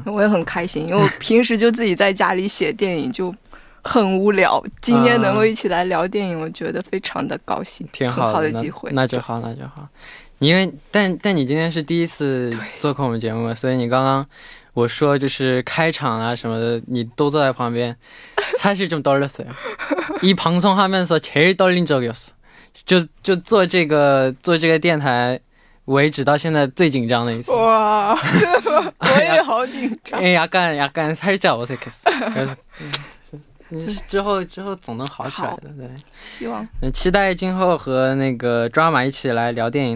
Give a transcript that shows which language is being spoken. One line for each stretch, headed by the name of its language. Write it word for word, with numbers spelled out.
Chinese: 我也很开心，因为我平时就自己在家里写电影就很无聊，今天能够一起来聊电影，我觉得非常的高兴，挺好的，好的机会。那, 那就好，那就好。因为但但你今天是第一次做客我们节目，所以你刚刚我说就是开场啊什么的，你都坐在旁边。
Korean: 사실 좀 떨렸어요。 이 방송하면서 제일 떨린 적이었어。
Chinese: 就就做这个做这个电台为止到现在最紧张的一次。哇，我也好紧张。哎呀，干呀干，
Korean: 살짝 어색했어。
Chinese: 之后之后总能好起来的，对，希望。期待今后和那个抓马一起来聊电影。